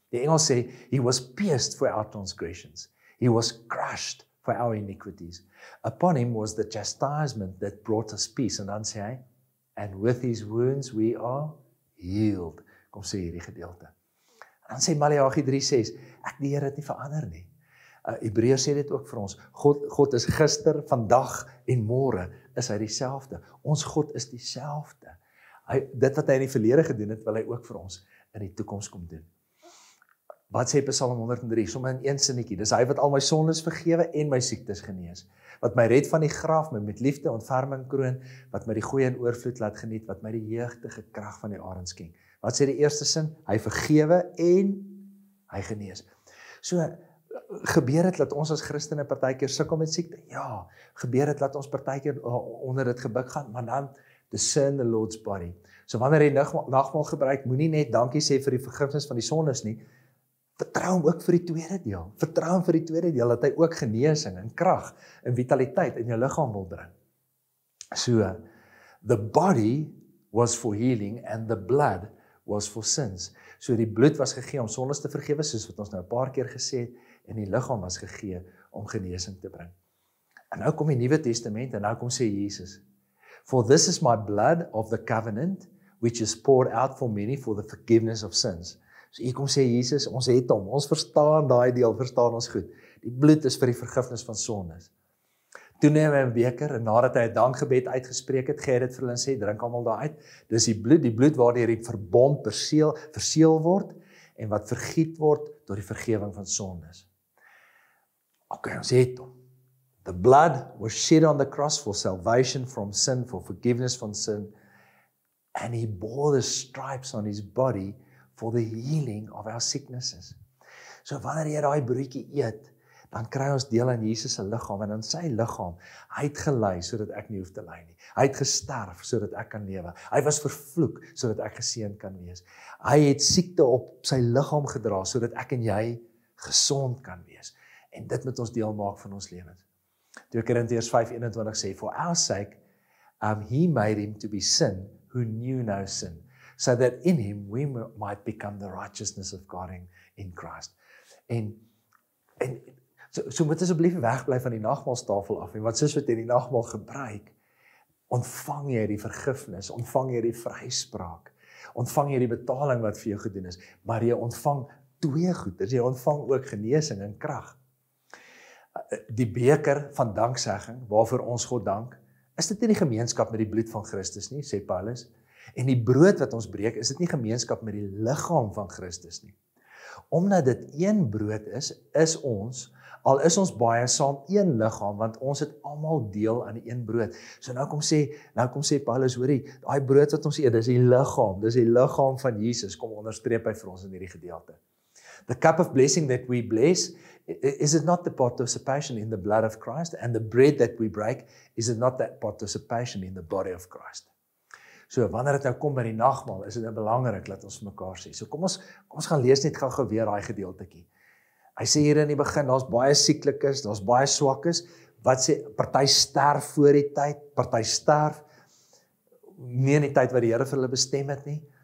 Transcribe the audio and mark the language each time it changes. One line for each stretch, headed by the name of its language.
Afrikaans: Die Engels sê,
English: he was pierced for our transgressions, he was crushed for our iniquities, upon him was the chastisement that brought us peace,
Afrikaans: en dan sê hy,
English: and with his wounds we are healed.
Afrikaans: Kom sê hierdie gedeelte. Dan sê Maleagi 3:6, ek die Here het nie verander nie. Hebreërs sê dit ook vir ons. God is gister, vandag en môre is hy dieselfde. Ons God is dieselfde. Dit wat hy in die verlede gedoen het, wil hy ook vir ons in die toekoms kom doen. Wat sê Psalm 103? Sommige in een sinnetjie. Dis hy wat al my sondes vergewe en my siektes genees. Wat my red van die graf, my met liefde ontferming kroon, wat my die goeie in oorvloed laat geniet, wat my die jeugdige krag van die arend skenk. Wat sê die eerste sin? Hy vergewe en hy genees. So, gebeur dit dat ons as Christene partykeer sukkel met siekte? Ja, gebeur dit dat ons partykeer onder dit gebuk gaan, maar dan
English: discern the Lord's body.
Afrikaans: So wanneer jy nagmaal gebruik, moenie net dankie sê vir die vergifnis van die sondes nie. Vertrou hom ook vir die tweede deel. Vertrou hom vir die tweede deel, dat hy ook genesing en krag en vitaliteit in jou liggaam wil bring.
English: So, the body was for healing and the blood was for sins.
Afrikaans: So die bloed was gegee om sondes te vergewe, soos wat ons nou 'n paar keer gesê het, en die liggaam was gegee om genesing te bring. En nou kom die Nuwe Testament en nou kom sê Jesus,
English: for this is my blood of the covenant, which is poured out for many for the forgiveness of sins.
Afrikaans: So hier kom sê Jesus, ons het hom, ons verstaan daai deel, verstaan ons goed. Die bloed is vir die vergifnis van sondes. Toe neem hy 'n beker en nadat hy 'n dankgebed uitgespreek het, gee hy dit vir hulle en sê, drink almal daaruit. Dis die bloed waardeur die verbond verseël word en wat vergiet word tot die vergewing van sondes. OK, ons het hom.
English: The blood was shed on the cross for salvation from sin, for forgiveness from sin, and he bore the stripes on his body for the healing of our sicknesses.
Afrikaans: So wanneer jy daai broodjie eet, dan kry ons deel aan Jesus se liggaam en aan sy liggaam. Hy het gely sodat ek nie hoef te ly nie. Hy het gesterf sodat ek kan lewe. Hy was vervloek sodat ek geseën kan wees. Hy het siekte op sy liggaam gedra sodat ek en jy gesond kan wees. En dit moet ons deel maak van ons lewens. 2 Korintiërs 5:21 sê,
English: for our sake, he made him to be sin who knew no sin, so that in him we might become the righteousness of God in Christ.
Afrikaans: En so moet asseblief wegbly van die nagmaaltafel af, en wat soos wat jy die nagmaal gebruik, ontvang jy die vergifnis, ontvang jy die vryspraak. ontvang jy die betaling wat vir jou gedoen is, maar jy ontvang twee goed, dus jy ontvang ook genesing en krag. Die beker van danksegging, waarvoor ons God dank, is dit nie die gemeenskap met die bloed van Christus nie, sê Paulus, en die brood wat ons breek, is dit nie gemeenskap met die liggaam van Christus nie. Omdat dit een brood is, is ons, al is ons baie saam een liggaam, want ons het allemaal deel aan die een brood. So nou kom sê Paulus, hoorie, die brood wat ons eet, dis die liggaam van Jesus, kom onderstreep hy vir ons in hierdie gedeelte.
English: The cup of blessing that we bless, is it not the participation in the blood of Christ? And the bread that we break, is it not the participation in the body of Christ?
Afrikaans: So, wanneer het nou kom by die nagmaal, is dit belangrik, laat ons vir mekaar sê. So, kom ons gaan lees net gauw weer die gedeeltekie. Hy sê hier in die begin, daar is baie sieklikes, daar is baie swakkes, wat sê, partij sterf voor die tyd, partij sterf, nie in die tyd wat die Here vir hulle bestem het nie.